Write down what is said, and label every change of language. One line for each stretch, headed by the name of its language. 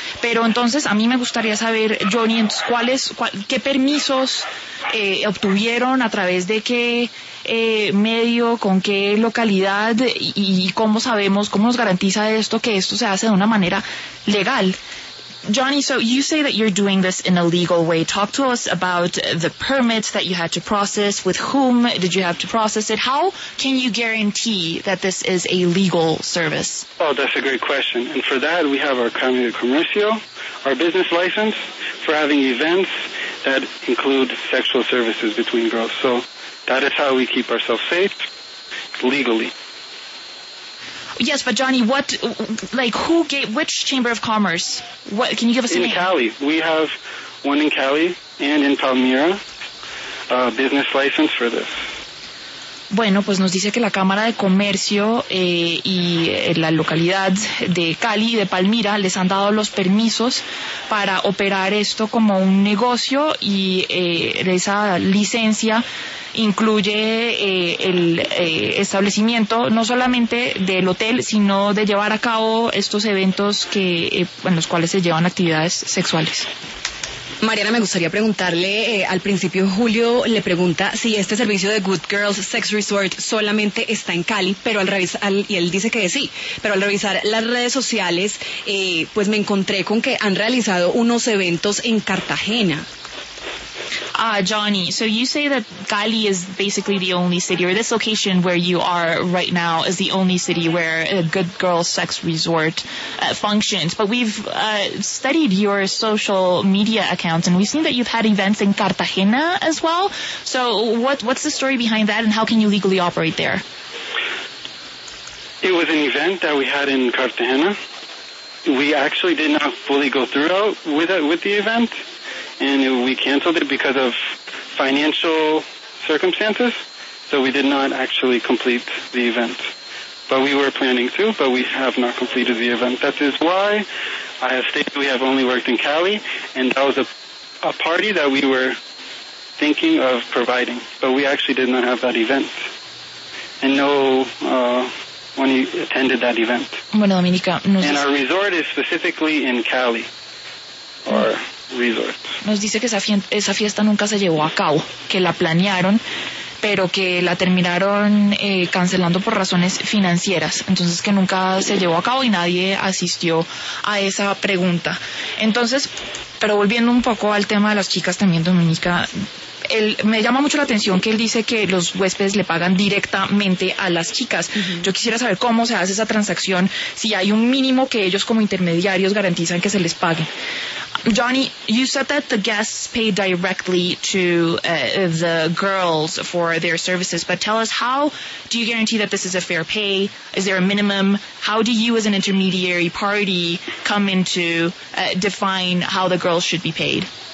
Spanish: Pero entonces a mí me gustaría saber, Johnny, ¿qué permisos obtuvieron, a través de qué medio, con qué localidad y cómo sabemos, cómo nos garantiza esto, que esto se hace de una manera legal?
English: Johnny, so you say that you're doing this in a legal way. Talk to us about the permits that you had to process. With whom did you have to process it? How can you guarantee that this is a legal service? Oh, that's a great question. And for that, we have our Camino de Comercio, our business license, for having events that include sexual services between girls. So that is how we keep ourselves safe, legally. Yes, but Johnny, what, like, who gave, which Chamber of Commerce? What, can you give us a name? In Cali. We have one in Cali and in Palmira, a business license for this.
Spanish: Bueno, pues nos dice que la Cámara de Comercio y la localidad de Cali y de Palmira les han dado los permisos para operar esto como un negocio y esa licencia incluye el establecimiento no solamente del hotel, sino de llevar a cabo estos eventos que en los cuales se llevan actividades sexuales. Mariana, me gustaría preguntarle, al principio Julio le pregunta si este servicio de Good Girls Sex Resort solamente está en Cali, pero y él dice que sí, pero al revisar las redes sociales, pues me encontré con que han realizado unos eventos en Cartagena.
English: Johnny, so you say that Cali is basically the only city, or this location where you are right now is the only city where a Good Girls Sex Resort functions. But we've studied your social media accounts, and we've seen that you've had events in Cartagena as well. So what's the story behind that, and how can you legally operate there? It was an event that we had in Cartagena. We actually did not fully go through with the event. And we canceled it because of financial circumstances, so we did not actually complete the event. But we were planning to, but we have not completed the event. That is why I have stated we have only worked in Cali, and that was a party that we were thinking of providing. But we actually did not have that event. And no when you attended that event.
Spanish: Bueno, Dominica, nos
English: and our resort is specifically in Cali, our resort.
Spanish: Nos dice que esa fiesta nunca se llevó a cabo, que la planearon, pero que la terminaron cancelando por razones financieras. Entonces, que nunca se llevó a cabo y nadie asistió a esa pregunta. Entonces, pero volviendo un poco al tema de las chicas también, Dominica, él, me llama mucho la atención que él dice que los huéspedes le pagan directamente a las chicas. Uh-huh. Yo quisiera saber cómo se hace esa transacción, si hay un mínimo que ellos como intermediarios garantizan que se les pague.
English: Johnny, you said that the guests pay directly to the girls for their services, but tell us, how do you guarantee that this is a fair pay? Is there a minimum? How do you as an intermediary party come into define how the girls should be paid?